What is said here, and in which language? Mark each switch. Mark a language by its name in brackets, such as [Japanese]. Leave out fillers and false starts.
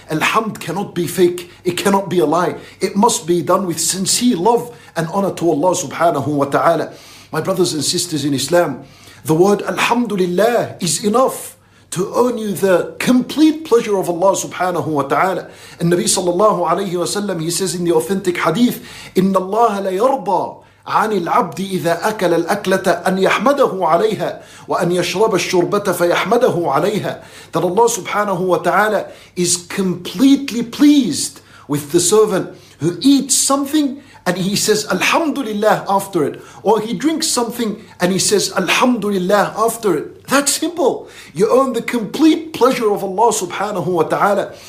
[English] Alhamd cannot be fake. It cannot be a lie. It must be done with sincere love and honor to Allah subhanahu wa ta'ala. My brothers and sisters in Islam, the word Alhamdulillah is enough to earn you the complete pleasure of Allah subhanahu wa ta'ala. And Nabi sallallahu alayhi wa sallam, he says in the authentic hadith, [Arabic] إِنَّ اللَّهَ لَيَرْضَى عن العبد إذا أكل الأكلة أن يحمده عليها وأن يشرب الشربة فيحمده عليها. [English] That Allah subhanahu wa ta'ala is completely pleased with the servant who eats something and he says Alhamdulillah after it. Or he drinks something and he says Alhamdulillah after it. That's simple. You earn the complete pleasure of Allah subhanahu wa ta'ala.